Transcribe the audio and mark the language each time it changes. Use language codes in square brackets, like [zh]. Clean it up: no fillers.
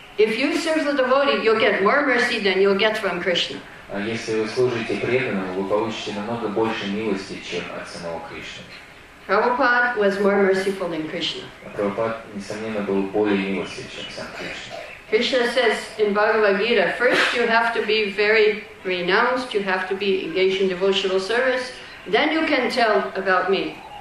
[en] If you serve the devotee, you'll get more mercy than you'll get from Krishna. [ru] А если вы служите преданному, вы получите намного больше милости, чем от самого Кришны. [en] Prabhupada was more merciful than Krishna. [ru] А Прабхупада, несомненно, был более милостив, чем сам Кришна. [en] Krishna says in Bhagavad Gita, first you have to be very renounced, you have to be engaged in devotional service, then you can tell about me.